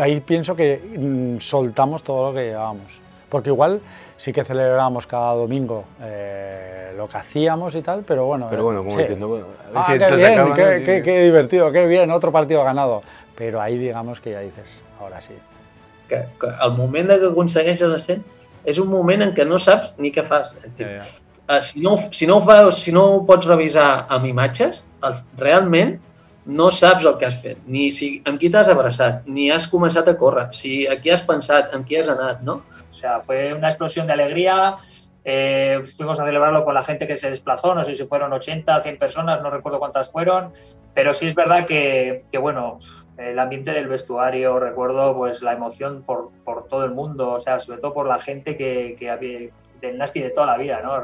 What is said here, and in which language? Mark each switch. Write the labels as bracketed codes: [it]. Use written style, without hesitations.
[es] Ahí pienso que soltamos todo lo que llevábamos. Porque igual sí que celebrábamos cada domingo lo que hacíamos y tal, pero bueno. Pero bueno, como diciendo, sí. Ah, si qué bien, qué divertido, qué bien, otro partido ganado. Pero ahí digamos que ya dices, ahora sí. [ca] Que el moment que aconsegueixes l'ascens és un moment en què no saps ni què fas. És dir, si no ho pots revisar amb imatges, realment no saps el que has fet, ni si, amb qui t'has abraçat, ni has començat a córrer, si a qui has pensat, amb qui has anat, no? [es] O sea, fue una explosión de alegría, fuimos a celebrarlo con la gente que se desplazó, no sé si fueron 80, 100 personas, no recuerdo cuántas fueron, pero sí es verdad que bueno, el ambiente del vestuario, recuerdo pues la emoción por todo el mundo, o sea, sobre todo por la gente que había del Nasty de toda la vida, ¿no?